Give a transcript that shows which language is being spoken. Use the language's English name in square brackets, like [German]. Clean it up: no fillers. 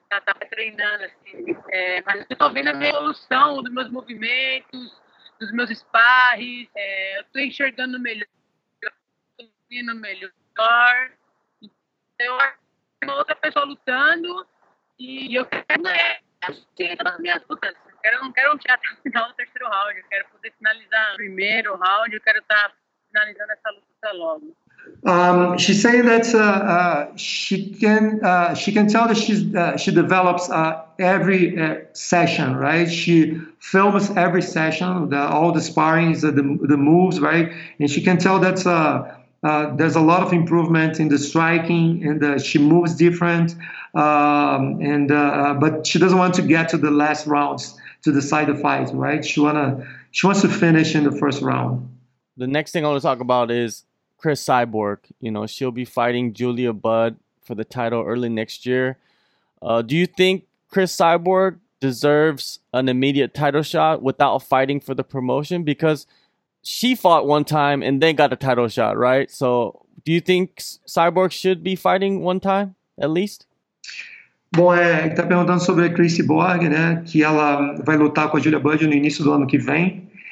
[Portuguese] Eu tava treinando, assim, mas eu tô vendo a minha evolução dos meus movimentos, dos meus sparres, eu tô enxergando melhor, eu tô vendo melhor, eu acho uma outra pessoa lutando, e eu quero ganhar as minhas lutas, eu não quero chegar até o final do terceiro round, eu quero poder finalizar o primeiro round, eu quero estar finalizando essa luta logo. [English] She said that she can tell that she develops every session, right? She films every session, all the sparrings, the moves, right? And she can tell that there's a lot of improvement in the striking, and she moves different. But she doesn't want to get to the last rounds to decide the fight, right? She wants to finish in the first round. The next thing I want to talk about is Chris Cyborg. You know, she'll be fighting Julia Budd for the title early next year. Do you think Chris Cyborg deserves an immediate title shot without fighting for the promotion? Because she fought one time and then got a title shot, right? So do you think Cyborg should be fighting one time at least? [Portuguese] Bom, ele tá perguntando sobre a Chris Cyborg, né? Que ela vai lutar com a Julia Budd no início do ano que vem.